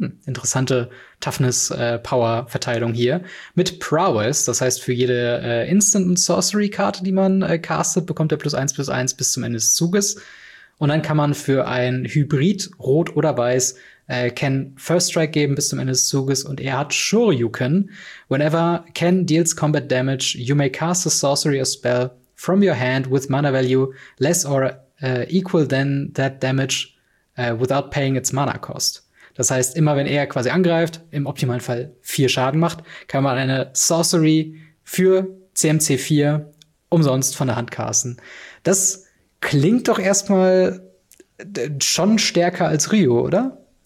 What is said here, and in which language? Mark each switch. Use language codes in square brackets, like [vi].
[de] Interessante Toughness-Power-Verteilung hier. Mit Prowess, das heißt, für jede Instant- und Sorcery-Karte, die man castet, bekommt er +1/+1 bis zum Ende des Zuges. Und dann kann man für ein Hybrid, rot oder weiß, Ken First Strike geben bis zum Ende des Zuges und er hat Shoryuken. [en] Whenever Ken deals combat damage, you may cast a sorcery or spell from your hand with mana value less or equal than that damage without paying its mana cost. [de] Das heißt, immer wenn er quasi angreift, im optimalen Fall 4 Schaden macht, kann man eine Sorcery für CMC4 umsonst von der Hand casten. Das klingt doch erstmal schon stärker als Ryu, oder?